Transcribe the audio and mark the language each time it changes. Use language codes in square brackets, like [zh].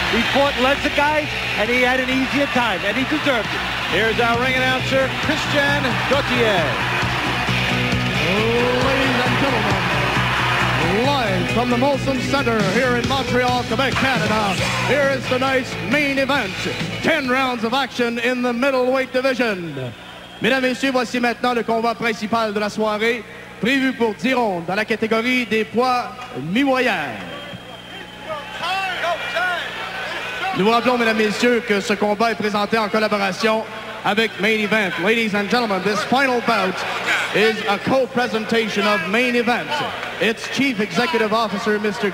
[en] He fought lesser guys, and he had an easier time, and he deserved it. Here's our ring announcer, Christian Gauthier. Ladies and gentlemen, live from the Molson Center here in Montreal, Quebec, Canada, here is tonight's main event. 10 rounds of action in the middleweight division. [fr] Mesdames et messieurs, voici maintenant le combat principal de la soirée. Prévu pour 10 rondes dans la catégorie des poids mi-moyens. Nous vous rappelons, mesdames et messieurs, que ce combat est présenté en collaboration avec Main Event. [en] Ladies and gentlemen, this final bout is a co-presentation of Main Event, its chief executive officer, Mr.